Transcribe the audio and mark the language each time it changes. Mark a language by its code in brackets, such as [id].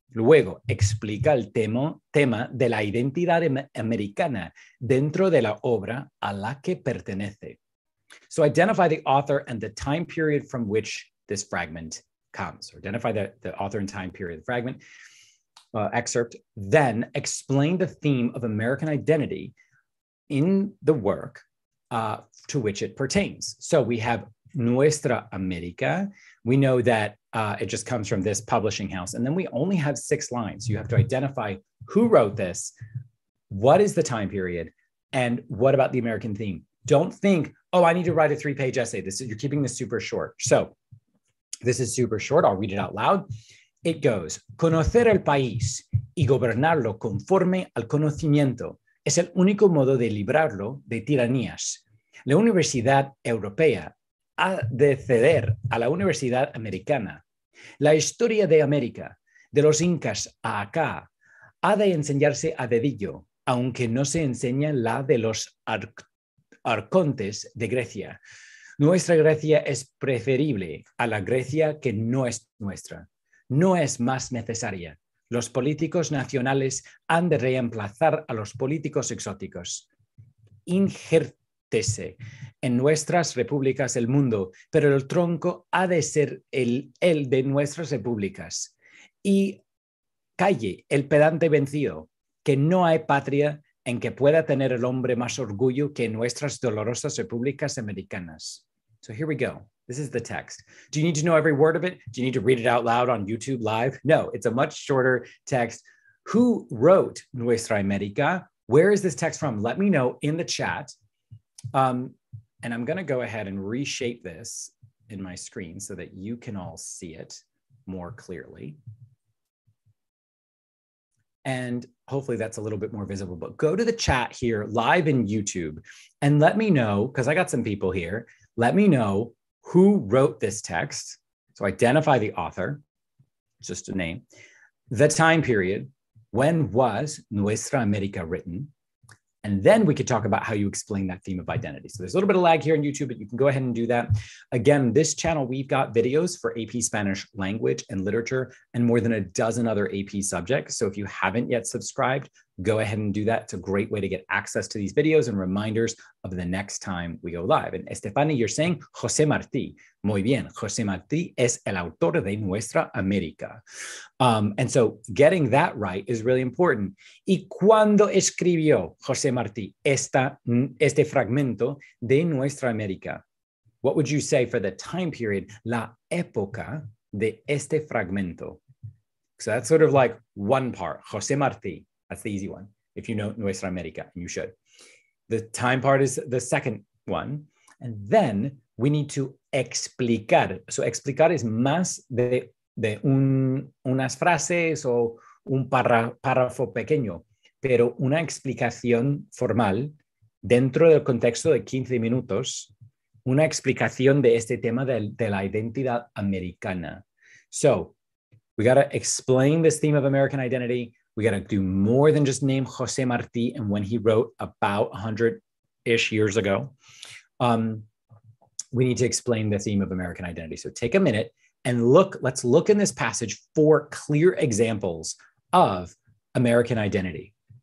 [es] Luego, explica el tema de la identidad americana dentro de la obra a la que pertenece. [en] So identify the author and the time period from which this fragment comes. Identify the author and time period of the fragment excerpt. Then explain the theme of American identity in the work to which it pertains. So we have Nuestra America. We know that it just comes from this publishing house. And then we only have 6 lines. You have to identify who wrote this, what is the time period, and what about the American theme? Don't think, oh, I need to write a 3-page essay. You're keeping this super short. So this is super short. I'll read it out loud. It goes, [es] conocer el país y gobernarlo conforme al conocimiento es el único modo de librarlo de tiranías. La Universidad Europea ha de ceder a la Universidad Americana. La historia de América, de los Incas a acá, ha de enseñarse a dedillo, aunque no se enseña la de los arcontes de Grecia. Nuestra Grecia es preferible a la Grecia que no es nuestra. No es más necesaria. Los políticos nacionales han de reemplazar a los políticos exóticos. Injértese en nuestras repúblicas el mundo, pero el tronco ha de ser el de nuestras repúblicas. Y calle el pedante vencido, que no hay patria en que pueda tener el hombre más orgullo que en nuestras dolorosas repúblicas americanas. [en] So here we go. This is the text. Do you need to know every word of it? Do you need to read it out loud on YouTube live? No, it's a much shorter text. Who wrote Nuestra América? Where is this text from? Let me know in the chat. And I'm going to go ahead and reshape this in my screen so that you can all see it more clearly. And hopefully that's a little bit more visible, but go to the chat here live in YouTube and let me know, because I got some people here, let me know who wrote this text. So identify the author, just a name, the time period, when was Nuestra America written? And then we could talk about how you explain that theme of identity. So there's a little bit of lag here on YouTube, but you can go ahead and do that. Again, this channel, we've got videos for AP Spanish language and literature and more than a dozen other AP subjects. So if you haven't yet subscribed, go ahead and do that. It's a great way to get access to these videos and reminders of the next time we go live. And Estefani, you're saying José Martí. [es] Muy bien. José Martí es el autor de Nuestra América. [en] And so getting that right is really important. [es] ¿Y cuándo escribió José Martí este fragmento de Nuestra América? [en] What would you say for the time period, [es] la época de este fragmento? [en] So that's sort of like one part, José Martí. That's the easy one, if you know Nuestra América, and you should. The time part is the second one. And then we need to explicar. So [es] explicar [en] is [es] más unas frases o un párrafo pequeño, pero una explicación formal dentro del contexto de 15 minutos, una explicación de este tema de la identidad americana. [en] So we got to explain this theme of American identity. We got to do more than just name José Martí and when he wrote about 100-ish years ago. We need to explain the theme of American identity. So take a minute and look. Let's look in this passage for clear examples of American identity.